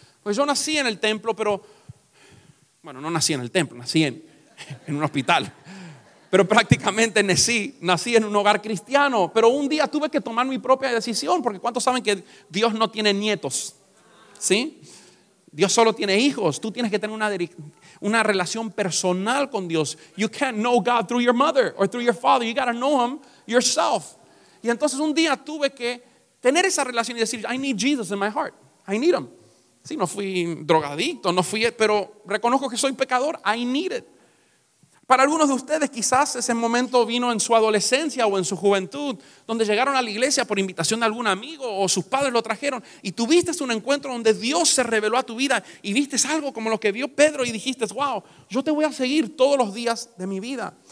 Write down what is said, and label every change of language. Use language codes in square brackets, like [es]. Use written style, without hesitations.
[es] Pues yo nací en el templo, pero, bueno, no nací en el templo, nací en un hospital. Pero prácticamente nací en un hogar cristiano. Pero un día tuve que tomar mi propia decisión, porque ¿cuántos saben que Dios no tiene nietos? ¿Sí? Dios solo tiene hijos. Tú tienes que tener una relación personal con Dios. [en] You can't know God through your mother or through your father. You gotta know him yourself. [es] Y entonces un día tuve que tener esa relación y decir, [en] I need Jesus in my heart. I need him. [es] Sí, no fui drogadicto, no fui, pero reconozco que soy pecador. [en] I need it. [es] Para algunos de ustedes quizás ese momento vino en su adolescencia o en su juventud, donde llegaron a la iglesia por invitación de algún amigo o sus padres lo trajeron y tuviste un encuentro donde Dios se reveló a tu vida y viste algo como lo que vio Pedro y dijiste, wow, yo te voy a seguir todos los días de mi vida.